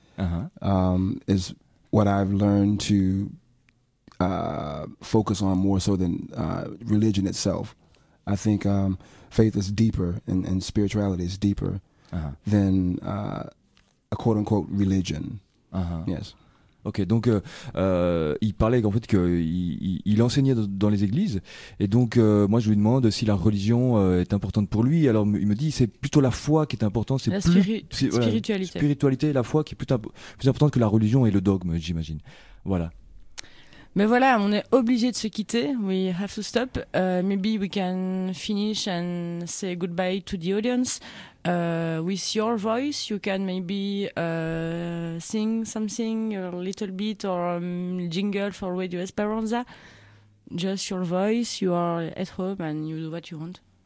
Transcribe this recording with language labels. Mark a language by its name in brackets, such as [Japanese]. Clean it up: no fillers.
[English] Uh-huh. Is what I've learned to focus on more so than religion itself. I think faith is deeper, and spirituality is deeper than a quote unquote religion. Uh-huh. Yes. [French] Ok, donc il parlait en fait qu'il enseignait dans les églises, et donc moi je lui demande si la religion est importante pour lui. Alors il me dit c'est plutôt la foi qui est importante, c'est la spiritualité, la foi qui est plus importante que la religion et le dogme, j'imagine. Voilà. Mais voilà, on est obligé de se quitter. [English] We have to stop. Maybe we can finish and say goodbye to the audience. With your voice, you can maybe sing something a little bit or jingle for Radio Esperanza. Just your voice. You are at home and you do what you want.